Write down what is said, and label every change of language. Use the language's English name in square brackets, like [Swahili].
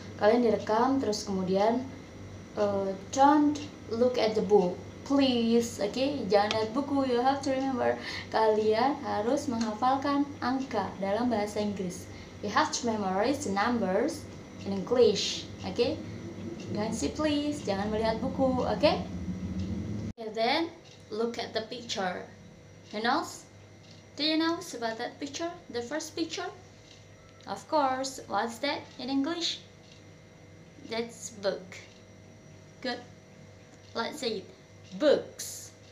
[Indonesian] Kalian direkam, terus kemudian [English] don't look at the book, please. [Indonesian] Oke, jangan lihat buku. [English] You have to remember. [Indonesian] Kalian harus menghafalkan angka dalam bahasa Inggris. [English] You have to memorize the numbers in English. [Indonesian] Oke, jangan sih please. Jangan melihat buku. Oke. Okay? [English] And then look at the picture. Who knows? Do you know about that picture? The first picture? Of course, what's that in English? That's book. Good. Let's say it. Books.